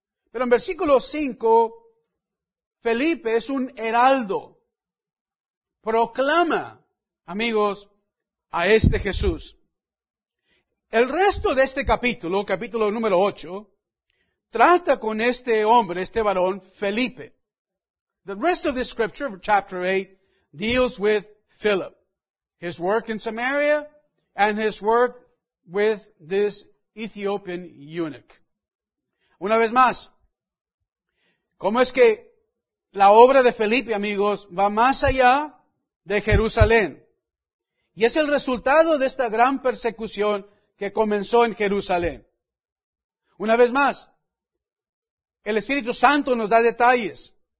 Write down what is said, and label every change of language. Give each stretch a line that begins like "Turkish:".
Spanish: Pero en versículo 5, Felipe es un heraldo. Proclama, amigos, a este Jesús. El resto de este capítulo, capítulo número 8, trata con este hombre, este varón, Felipe.
English: The rest of this scripture, chapter 8, deals with Philip, his work in Samaria, and his work with this Ethiopian eunuch.
Spanish: Una vez más, ¿cómo es que la obra de Felipe, amigos, va más allá de Jerusalén? Y es el resultado de esta gran persecución que comenzó en Jerusalén. Una vez más, el Espíritu Santo nos da detalles.